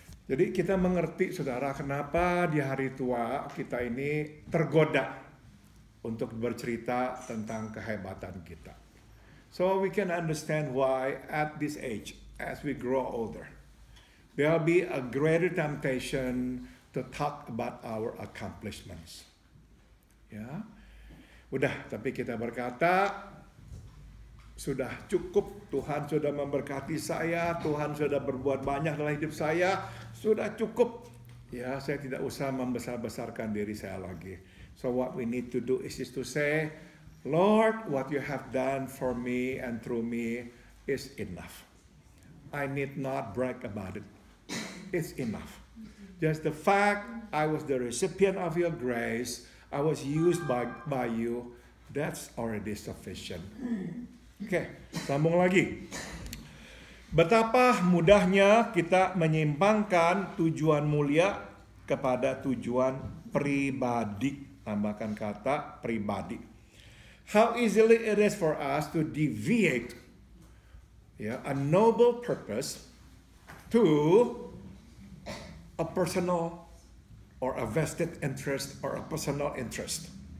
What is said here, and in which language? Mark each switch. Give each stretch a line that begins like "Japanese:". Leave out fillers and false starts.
Indonesian: Jadi kita mengerti, saudara, kenapa di hari tua kita ini tergoda untuk bercerita tentang kehebatan kita.
English: So we can understand why at this age, as we grow older, there'll be a greater temptation to talk about our accomplishments. Ya.
Indonesian: Udah, tapi kita berkata, sudah cukup, Tuhan sudah memberkati saya, Tuhan sudah berbuat banyak dalam hidup saya, sudah cukup. Ya, saya tidak usah membesar-besarkan diri saya lagi.
English: So what we need to do is just to say, Lord, what you have done for me and through me is enough. I need not brag about it. It's enough. Just the fact I was the recipient of your grace, I was used by you, that's already sufficient.
Indonesian: Okay, sambung lagi. Betapa mudahnya kita menyimpangkan tujuan mulia kepada tujuan pribadi. Tambahkan kata pribadi.
English: How easily it is for us to deviate, yeah, a noble purpose to a personal or a vested interest or a personal interest.